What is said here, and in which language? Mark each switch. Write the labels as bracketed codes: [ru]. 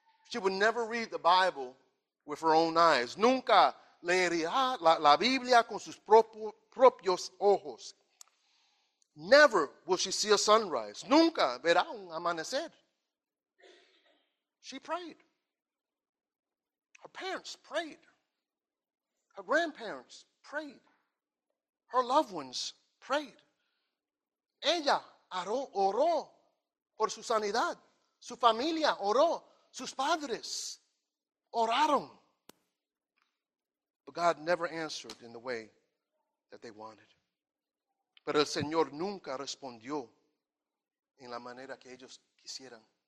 [en] She would never read the Bible with her own eyes. [es] Nunca leería la Biblia con sus propios ojos. [en] Never will she see a sunrise. [es] Nunca verá un amanecer. [en] She prayed. Her parents prayed. Her grandparents prayed. Her loved ones prayed. [es] Ella oró por su sanidad. Su familia oró. Sus padres oraron. [en] God never answered in the way that they wanted. [es] Pero el Señor nunca respondió en la manera que ellos quisieran.